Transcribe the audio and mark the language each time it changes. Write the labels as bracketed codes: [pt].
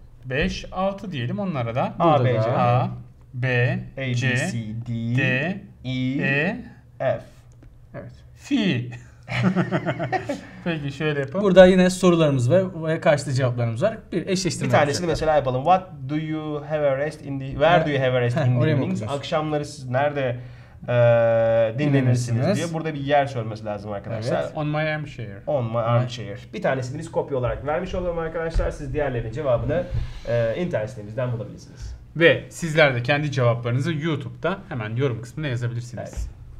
[tr] 5, 6 diyelim onlara da. A, B, C. A, B, A, B, C, C, D, D, E, E, F. Evet. F. Peki şöyle yapalım. Burada yine sorularımız ve karşılıklı cevaplarımız var. Bir eşleştirme. Bir tanesini mesela yapalım. [en] What do you have a rest in the Where do you have a rest in the evening? [tr] Akşamları siz nerede dinlenirsiniz diye. Burada bir yer söylemesi lazım arkadaşlar. Evet. [en] On my armchair. On my armchair. [tr] Bir tanesini biz kopya olarak vermiş olalım arkadaşlar. Siz diğerlerinin cevabını internet sitemizden bulabilirsiniz. Ve sizler de kendi cevaplarınızı YouTube'da hemen yorum kısmına yazabilirsiniz. Evet.